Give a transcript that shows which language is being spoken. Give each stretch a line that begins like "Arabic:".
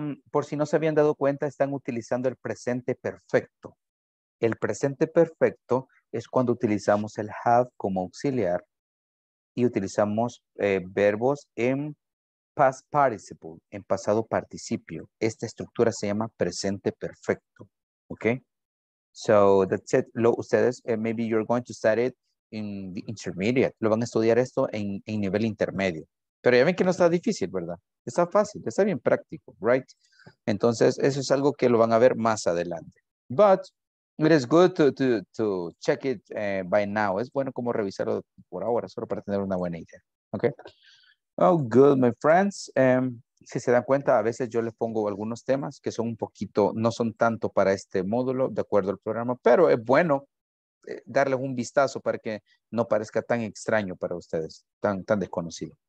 Spanish: Por si no se habían dado cuenta, están utilizando el presente perfecto. El presente perfecto es cuando utilizamos el have como auxiliar y utilizamos verbos en past participle, en pasado participio. Esta estructura se llama presente perfecto. Okay?
English: So that's it. Ustedes, maybe you're going to study it in the intermediate.
Spanish: Lo van a estudiar esto en nivel intermedio. Pero ya ven que no está difícil, ¿verdad? Está fácil, está bien práctico, right? Entonces, eso es algo que lo van a ver más adelante.
English: But it is good to check it by now.
Spanish: Es bueno como revisarlo por ahora, solo para tener una buena idea. Okay.
English: Oh, good, my friends.
Spanish: Si se dan cuenta, a veces yo les pongo algunos temas que son un poquito, no son tanto para este módulo, de acuerdo al programa, pero es bueno darles un vistazo para que no parezca tan extraño para ustedes, tan desconocido.